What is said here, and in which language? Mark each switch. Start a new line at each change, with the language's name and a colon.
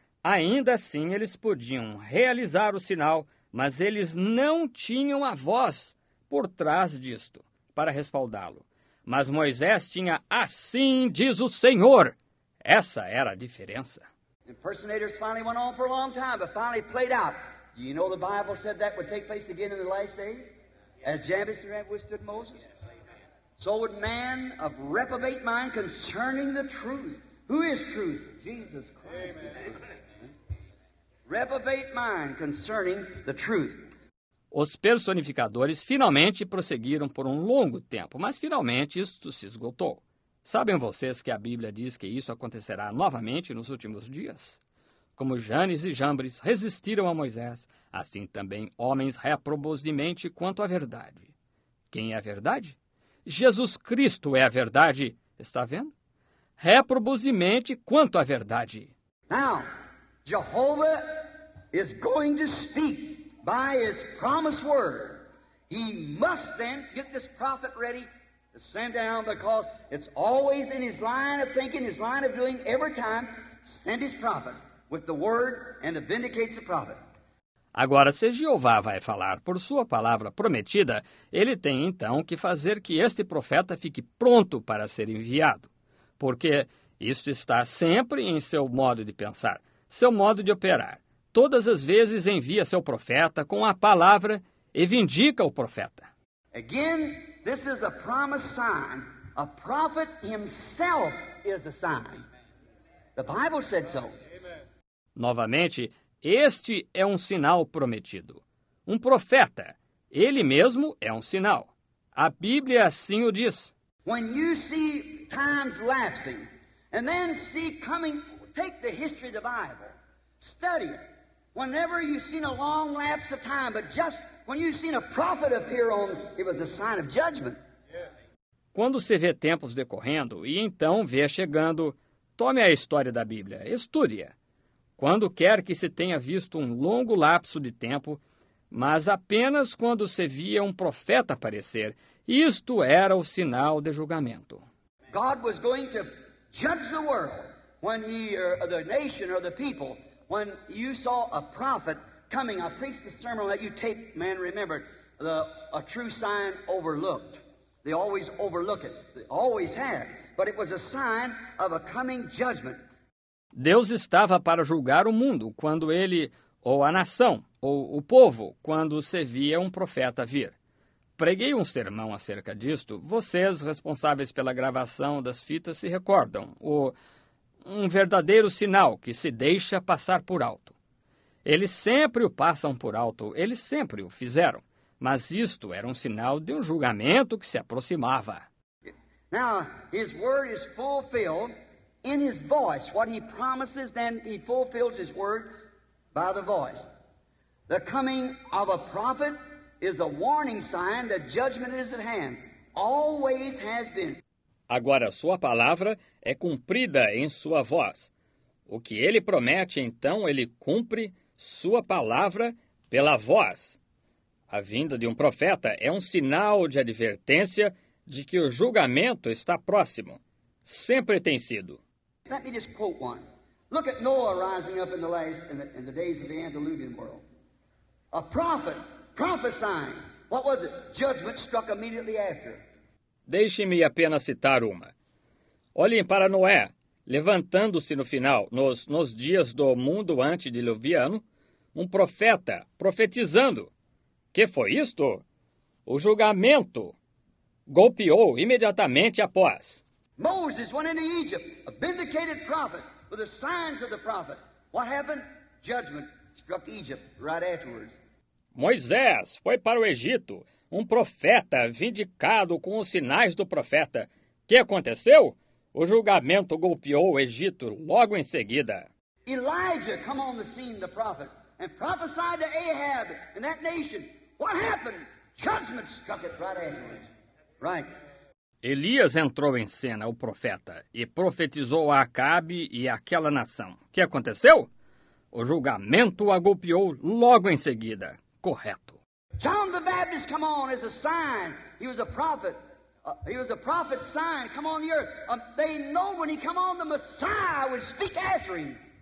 Portuguese: Ainda assim, eles podiam realizar o sinal, mas eles não tinham a voz por trás disto para respaldá-lo. Mas Moisés tinha, assim diz o Senhor. Essa era a diferença.
English: Impersonators finally went on for a long time, but finally played out. You know the Bible said that would take place again in the last days? As Jabez withstood Moses? So would man of reprobate mind concerning the truth. Who is truth? Jesus Christ. Amen. Reprobate mind concerning the truth.
Portuguese: Os personificadores finalmente prosseguiram por um longo tempo, mas finalmente isto se esgotou. Sabem vocês que a Bíblia diz que isso acontecerá novamente nos últimos dias? Como Jannes e Jambres resistiram a Moisés, assim também homens réprobos de mente quanto à verdade. Quem é a verdade? Jesus Cristo é a verdade. Está vendo? Réprobos de mente quanto à verdade.
English: Now, Jehovah is going to speak by his promised word. He must then get this prophet ready to send down, because it's always in his line of thinking, his line of doing, every time, send his prophet with the word and to vindicate the prophet.
Portuguese: Agora, se Jeová vai falar por sua palavra prometida, ele tem então que fazer que este profeta fique pronto para ser enviado, porque isto está sempre em seu modo de pensar, seu modo de operar. Todas as vezes envia seu profeta com a palavra e vindica o profeta.
English: Again, this is a promised sign. A prophet himself is a sign. The Bible said so.
Portuguese: Novamente, este é um sinal prometido. Um profeta, ele mesmo é um sinal. A Bíblia assim o diz.
English: When you see times lapsing and then see coming, take the history of the Bible, study it. Whenever you've seen a long lapse of time, but just when you've seen a prophet appear on, it was a sign of judgment.
Portuguese: Quando se vê tempos decorrendo e então vê chegando, tome a história da Bíblia, estude-a. Quando quer que se tenha visto um longo lapso de tempo, mas apenas quando se via um profeta aparecer, isto era o sinal de julgamento.
English: God was going to judge the world when he, or the nation, or the people. When you saw a prophet coming, I preached a sermon that you tape, man, remember, a true sign overlooked. They always overlook it. They always have. But it was a sign of a coming judgment.
Portuguese: Deus estava para julgar o mundo quando ele, ou a nação, ou o povo, quando se via um profeta vir. Preguei um sermão acerca disto. Vocês, responsáveis pela gravação das fitas, se recordam. Um verdadeiro sinal que se deixa passar por alto. Eles sempre o passam por alto, eles sempre o fizeram. Mas isto era um sinal de um julgamento que se aproximava.
English: Now, his word is fulfilled in his voice. What he promises, then he fulfills his word by the voice. The coming of a prophet is a warning sign that judgment is at hand. Always has been.
Portuguese: Agora, sua palavra é cumprida em sua voz. O que ele promete, então, ele cumpre sua palavra pela voz. A vinda de um profeta é um sinal de advertência de que o julgamento está próximo. Sempre tem sido.
English: Let me just quote one. Look at Noah rising up in the days of the Antediluvian world. A prophet prophesying. What was it? Judgment struck immediately after.
Portuguese: Deixe-me apenas citar uma. Olhem para Noé, levantando-se no final, nos dias do mundo antediluviano, um profeta profetizando. Que foi isto? O julgamento golpeou imediatamente após.
English: Moses went into Egypt, a vindicated prophet, with the signs of the prophet. What happened? Judgment struck Egypt right afterwards.
Portuguese: Moisés foi para o Egito. Um profeta vindicado com os sinais do profeta. Que aconteceu? O julgamento golpeou o Egito logo em seguida.
English: Elijah come on the scene, the prophet, and prophesied to Ahab and that nation. What happened? Judgment struck it right afterwards. Right.
Portuguese: Elias entrou em cena, o profeta, e profetizou a Acabe e aquela nação. Que aconteceu? O julgamento a golpeou logo em seguida. Correto.
English: John the Baptist come on as a sign. He was a prophet. He was a prophet sign. Come on the earth. They know when he come on, the Messiah would speak after him.